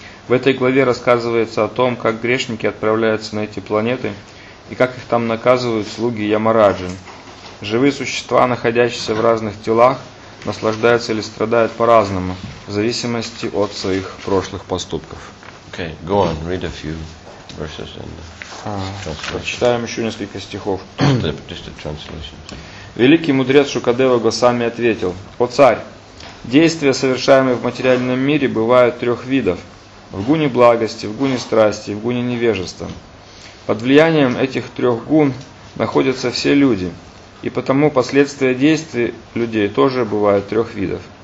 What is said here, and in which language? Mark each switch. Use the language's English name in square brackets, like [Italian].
[Russian] В этой главе рассказывается о том, как грешники отправляются на эти планеты и как их там наказывают слуги Ямараджи. Живые существа, находящиеся в разных телах, наслаждаются или страдают по-разному, в зависимости от своих прошлых поступков. [English] Okay, go on, read a few verses in the translation. [Russian] Прочитаем еще несколько стихов. [English] Just a translation. [Russian] Великий мудрец Шукадева Госвами ответил: «О царь, действия, совершаемые в материальном мире, бывают трех видов. В гуне благости, в гуне страсти, в гуне невежества. Под влиянием этих трех гун находятся все люди, и потому последствия действий людей тоже бывают трех видов.